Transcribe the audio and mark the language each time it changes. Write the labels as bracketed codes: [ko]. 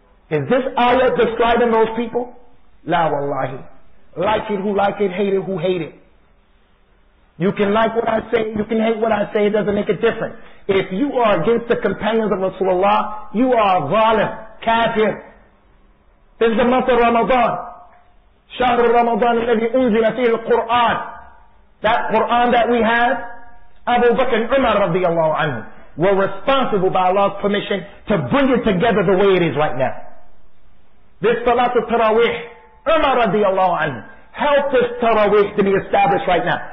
[en] Is this ayat describing those people? La wallahi. Like it who like it, hate it who hate it. You can like what I say, you can hate what I say, it doesn't make a difference. If you are against the companions of Rasulullah, you are zalim, kafir. This is the month of Ramadan. [ar] شهر رمضان الذي أنزل فيه القرآن. [en] That Quran that we have, Abu Bakr and Umar radiallahu anhu were responsible by Allah's permission to bring it together the way it is right now. This Salat al-Tarawih, Umar radiallahu anhu helped this Tarawih to be established right now.